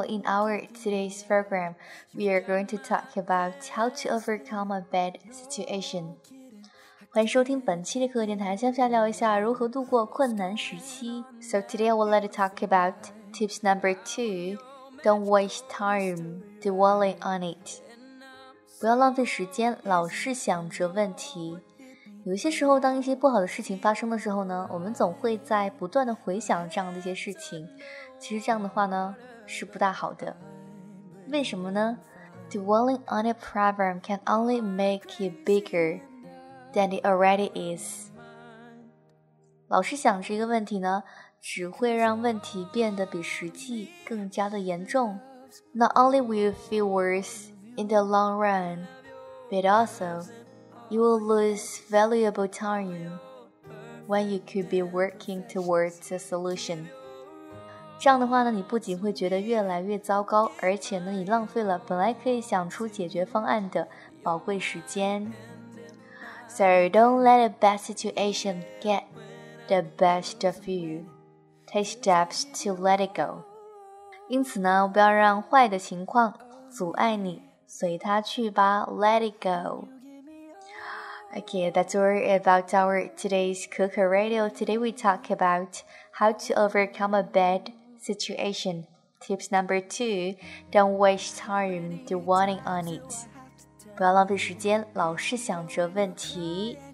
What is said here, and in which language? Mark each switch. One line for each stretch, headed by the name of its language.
English: In our today's program, we are going to talk about how to overcome a bad situation.
Chinese: 欢迎收听本期的可可电台，下面聊一下如何度过困难时期。
English: So today I would like to talk about tips number 2. Don't waste time dwelling on it.
Chinese: 不要浪费时间，老是想着问题。有些时候当一些不好的事情发生的时候呢，我们总会在不断的回想这样的一些事情，其实这样的话呢是不大好的。为什么呢？
English: Dwelling on a problem can only make it bigger than it already is.
Chinese: 老是想着一个问题呢，只会让问题变得比实际更加的严重。
English: Not only will you feel worse in the long run, but alsoYou will lose valuable time when you could be working towards a solution.
Chinese: 这样的话呢，你不仅会觉得越来越糟糕，而且呢，你浪费了本来可以想出解决方案的宝贵时间。
English: So don't let a bad situation get the best of you. Take steps to let it go.
Chinese: 因此呢，不要让坏的情况阻碍你，随它去吧 ，
English: let it go. Okay, that's all about our today's Coco Radio. Today we talk about how to overcome a bad situation. Tips number 2, don't waste time dwelling on it.
Chinese: 不要浪费时间，老是想着问题。